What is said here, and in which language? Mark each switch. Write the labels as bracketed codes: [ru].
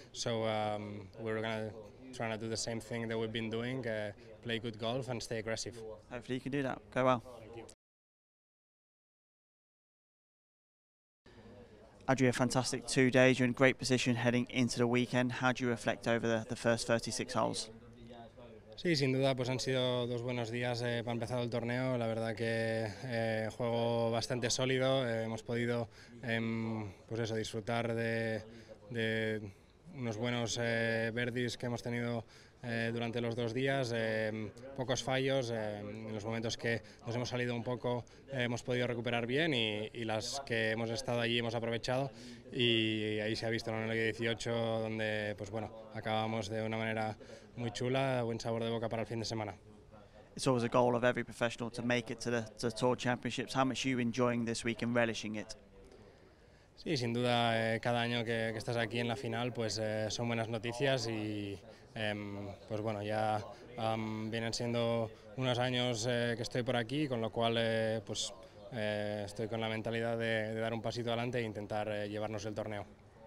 [en] So we're going to try to do the same thing that we've been doing. Play good golf and stay aggressive. Hopefully you can do that. Go well. Adri, a fantastic 2 days. You're in great position heading into the weekend. How do you reflect over the first 36 holes? [es] Sí, sin duda, pues han sido dos buenos días para empezar el torneo. La verdad que juego bastante sólido. Hemos podido disfrutar de unos buenos birdies que hemos tenido durante los dos días, pocos fallos, en los momentos que nos hemos salido un poco hemos podido recuperar bien y las que hemos estado allí hemos aprovechado y ahí se ha visto en el 18 donde pues bueno, acabamos de una manera muy chula, buen sabor de boca para el fin de semana. [en] It's always a goal of every professional to make it to the Tour Championships. How much are you enjoying this week and relishing it? [es] Sí, sin duda, cada año que estás aquí en la final, pues son buenas noticias y pues bueno, ya vienen siendo unos años que estoy por aquí, con lo cual pues estoy con la mentalidad de dar un pasito adelante e intentar llevarnos el torneo.